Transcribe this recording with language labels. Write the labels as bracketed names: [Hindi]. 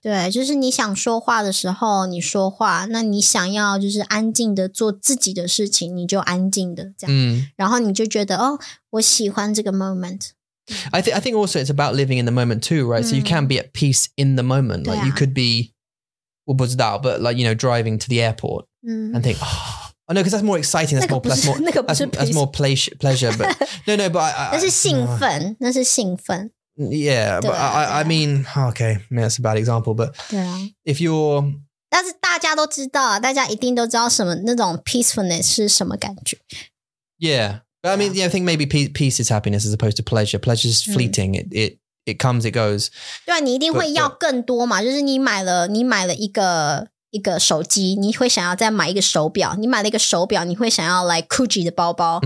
[Chinese] 对就是你想说话的时候你说话那你想要就是安静的做自己的事情你就安静的这样、 mm. 然后你就觉得哦我喜欢这个 moment. [English] I think also it's about living in the moment too, right?、Mm. So you can be at peace in the moment. Like、啊、 you could be, [Chinese] 我不知道 [English] but like, you know, driving to the airport、 mm. and think, Oh, no, because that's more exciting. That's more, that's more, that's more pleasure. But no, no, but I. That's 兴奋 That's 兴奋 Yeah, but I mean, okay, yeah, that's a bad example. But if you're. [Chinese] 但是大家都知道大家一定都知道什么那种 peacefulness 是什么感觉 [English] Yeah, but I mean, yeah, I think maybe peace is happiness as opposed to pleasure. Pleasure is fleeting. It comes, it goes. [Chinese] 对啊你一定会要更多嘛就是你买了一个手机你会想要再买一个手表你买了一个手表你会想要 like Gucci 的包包、